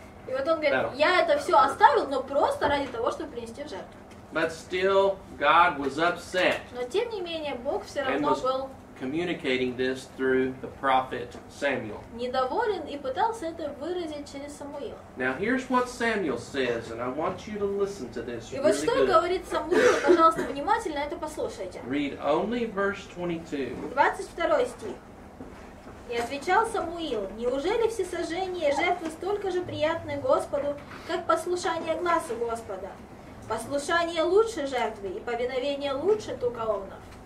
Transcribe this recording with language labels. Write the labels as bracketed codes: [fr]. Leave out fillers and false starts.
[ru] И вот он говорит, я это все оставил, но просто ради того, чтобы принести в жертву. [en] But still, God was upset. [ru] Но тем не менее, Бог все равно был... [en] communicating this through the prophet Samuel. [ru] Недоволен и пытался это выразить через Самуила. [en] Now here's what Samuel says, and I want you to listen to this. [ru] И вот что говорит Самуил, пожалуйста, внимательно это послушайте. [en] Read only verse 22. [ru] 22 стих. И отвечал Самуил, неужели всесожжение и жертвы столько же приятны Господу, как послушание гласу Господа? Послушание лучше жертвы и повиновение лучше тукаонов.